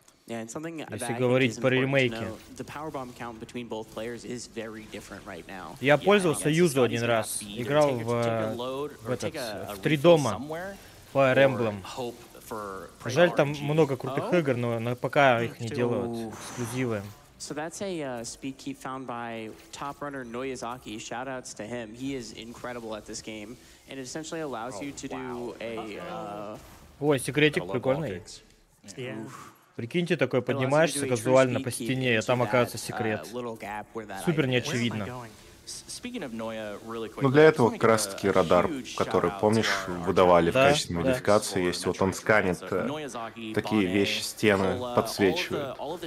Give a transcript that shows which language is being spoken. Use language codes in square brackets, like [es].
[en] Yeah, and something that I think is important to know, the power bomb count between both players is very different right now. [ru] Я пользовался Юзо один раз, играл в три дома по Рэмблам. Жаль, там много крутых игр, но на ПК их не делают эксклюзивы. [en] So that's a speed key found by top runner Noyazaki. Shout outs to him. He is incredible at this game. And it essentially allows you to do [ru] a... Ой, секретик прикольный. [en] Yeah. [ru] Прикиньте, такое поднимаешься казуально по стене, и там оказывается секрет. Супер неочевидно. Но для этого как раз таки радар, который, помнишь, выдавали в качестве модификации, есть вот он сканит такие вещи, стены подсвечивает.